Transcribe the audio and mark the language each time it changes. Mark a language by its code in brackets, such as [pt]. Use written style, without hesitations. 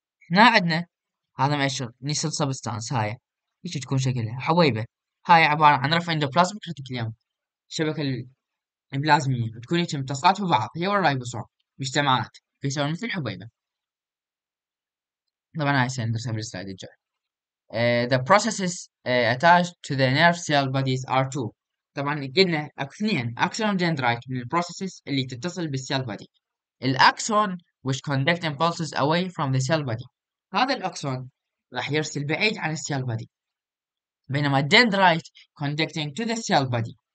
[ar] هنا عندنا هذا مأشر نيسل سبستانس، هاي ايش تكون شكلها حبيبة، هاي عبارة عن راف اندوبلازم ريتيكليوم شبكة البلازمية بتكون يتم اتصالات ببعض هي والرايبوسوم مجتمعات فيصير مثل حبيبة. طبعا هاي سندرسها بالسلايد الجاي. [en] The processes attached to the nerve cell bodies are two. [ar] طبعا قلنا اكو اثنين اكسون دندرايت من البروسيسز اللي تتصل بالسيل بادي. [en] الاكسون which conduct impulses away from the cell body. [ar] هذا الاكسون راح يرسل بعيد عن السيل بادي. بينما الدندرايت [en] conducting to the cell body.